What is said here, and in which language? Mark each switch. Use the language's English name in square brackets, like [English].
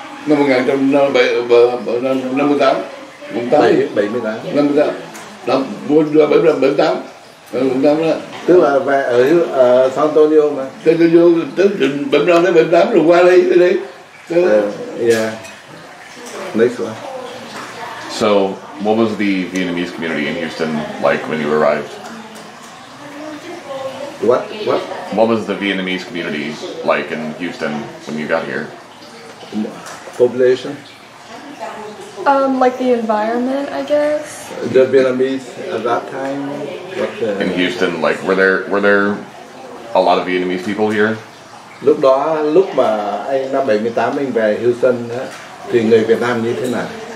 [Vietnamese] Năm 1958. 78. 78. 78. 78. 78 đó. Tức là về ở San Antonio mà. San Antonio, tức là 75 đến 78 rồi qua đây, đi đây. [English] Yeah. Next one. So, what was the Vietnamese community in Houston like when you arrived? What? What? What was the Vietnamese community like in Houston when you got here? Population? Like the environment, I guess. The Vietnamese at that time? What the... In Houston, like, were there a lot of Vietnamese people here? [Vietnamese] Lúc đó, lúc mà anh năm 78 anh về Houston thì người Việt Nam như thế nào?